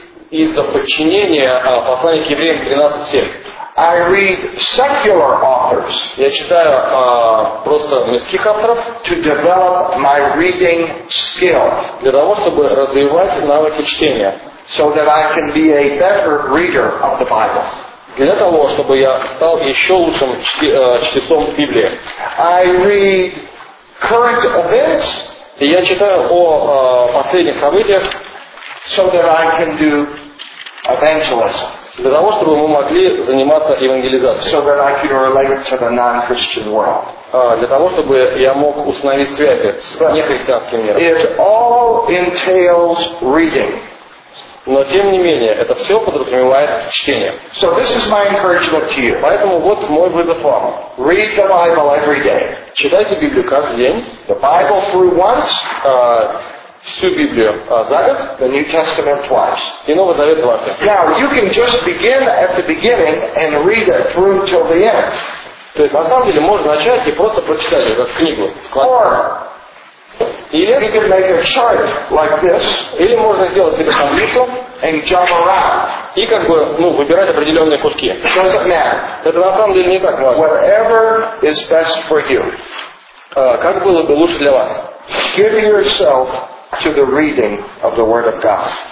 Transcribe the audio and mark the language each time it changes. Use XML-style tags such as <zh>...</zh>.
<ru>Из-за подчинения послания к евреям 13:7.</ru> <en>I read secular authors.</en> <ru>Я читаю просто мирских авторов.</ru> <en>To develop my reading skill.</en> <ru>Для того, чтобы развивать навыки чтения.</ru> <en>So that I can be a better reader of the Bible.</en> <ru>Для того, чтобы я стал еще лучшим чтецом Библии.</ru> <en>I read current events.</en> <ru>И я читаю о последних событиях.</ru> <en>so that I can do evangelism.</en> <ru>Для того, чтобы мы могли заниматься евангелизацией.</ru> <en>So that I can relate to the non-Christian world.</en> <ru>Для того, чтобы я мог установить связи с нехристианским миром.</ru> <en>It all entails reading.</en> <ru>Но тем не менее, это все подразумевает чтение.</ru> <en>So this is my encouragement to you.</en> <ru>Поэтому вот мой вызов вам.</ru> <en>Read the Bible every day.</en> <ru>Читайте Библию каждый день.</ru> <en>The Bible through once.</en> <ru>Всю Библию за год.</ru> <en>The New Testament twice.</en> <ru>И Новый Завет дважды.</ru> <en>Now you can just begin at the beginning and read it through till the end.</en> <ru>То есть на самом деле можно начать и просто прочитать эту книгу. Или</ru> <en>you can make a chart like this,</en> <ru>или можно сделать себе таблицу</ru> <en>and jump around.</en> <ru>И как бы выбирать определенные куски.</ru> <en>Doesn't matter.</en> <ru>Это на самом деле не так важно.</ru> <en>Whatever is best for you.</en> <ru>Как было бы лучше для вас?</ru> <en>Give yourself to the reading of the Word of God.</en>